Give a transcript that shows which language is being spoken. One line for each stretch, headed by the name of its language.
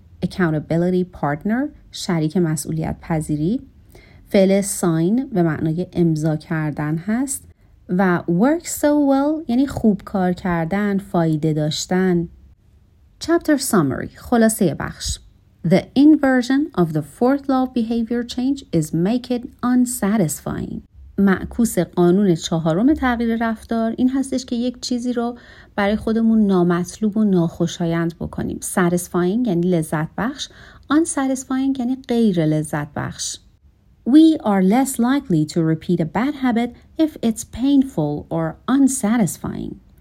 English: Accountability partner
Persian: شریک مسئولیت پذیری. فعل sign به معنای امضا کردن هست و
English: work so well
Persian: یعنی خوب کار کردن، فایده داشتن.
English: Chapter summary
Persian: خلاصه بخش.
English: The inversion of the fourth law of behavior change is make it unsatisfying.
Persian: معکوس قانون چهارم تغییر رفتار این هستش که یک چیزی رو برای خودمون نامطلوب و ناخوشایند بکنیم. Satisfying یعنی لذت بخش. Unsatisfying یعنی غیر لذت بخش.
English: We are less likely to repeat a bad habit if it's painful or unsatisfying.